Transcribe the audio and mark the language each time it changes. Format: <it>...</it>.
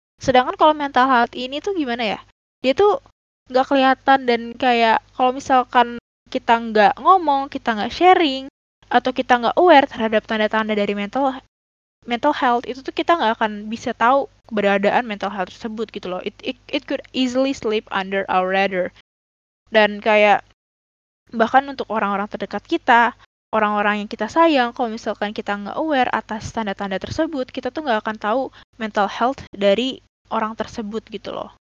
<id>Sedangkan kalau mental health ini tuh gimana ya, dia tuh nggak kelihatan, dan kayak kalau misalkan kita nggak ngomong, kita nggak sharing, atau kita nggak aware terhadap tanda-tanda dari mental health, itu tuh kita nggak akan bisa tahu keberadaan mental health tersebut gitu loh.</id> <en>It could easily slip under our radar.</en> <id>Dan kayak bahkan untuk orang-orang terdekat kita, orang-orang yang kita sayang, kalau misalkan kita nggak aware atas tanda-tanda tersebut, kita tuh nggak akan tahu mental health dari orang tersebut gitu loh.</id>